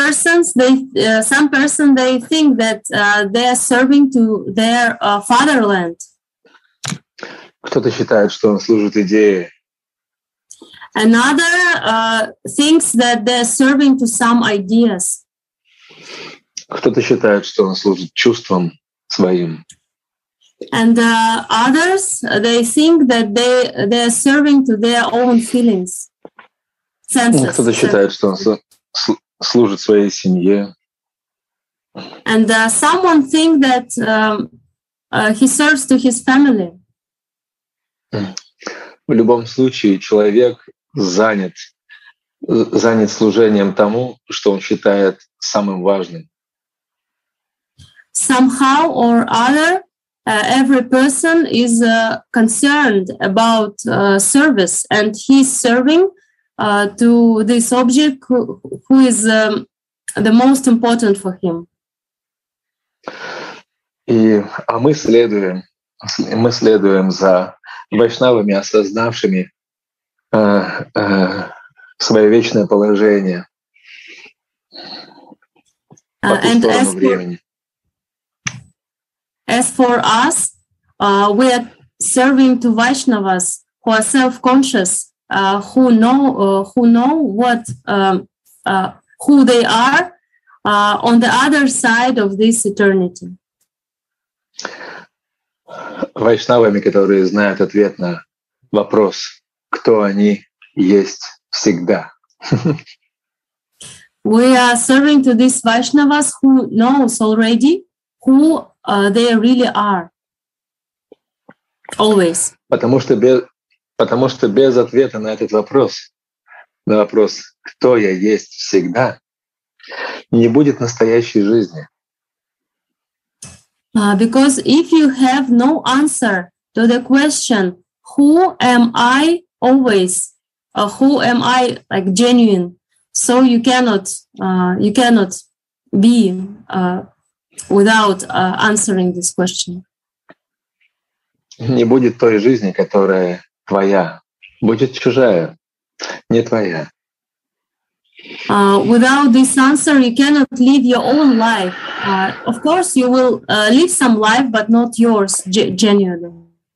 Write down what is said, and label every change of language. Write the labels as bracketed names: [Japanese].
[English] Some persons think that they are serving to their fatherland. [Russian] Кто-то считает, что он служит идее. [English] Another thinks that they are serving to some ideas. [Russian] Кто-то считает, что он служит чувствам своим. [English] And others they think that they are serving to their own feelings. Senses. [Russian] Кто-то считает, что он служит своей семье. [English] And someone think that he serves to his family. [Russian] В любом случае человек занят служением тому, что он считает самым важным. [English] Somehow or other, every person is concerned about service, and he's serving to this object who is the most important for him. [Russian] Мы следуем за вайшнавами, осознавшими свое вечное положение по ту сторону времени. [English] As for us, we are serving to Vaishnavas who are self-conscious, who know what who they are, on the other side of this eternity. [Russian] Вайшнавами, которые знают ответ на вопрос, кто они есть всегда. [English] We are serving to these Vaishnavas who knows already who they really are. Always. [Russian] Потому что без ответа на этот вопрос, на вопрос, кто я есть всегда, не будет настоящей жизни. [English] Because if you have no answer to the question, who am I always, who am I like genuine, so you cannot be without answering this question. [Russian] Не будет той жизни, которая твоя, будет чужая, не твоя. [English] Without this answer, you cannot live your own life. Of course, you will live some life, but not yours, genuinely.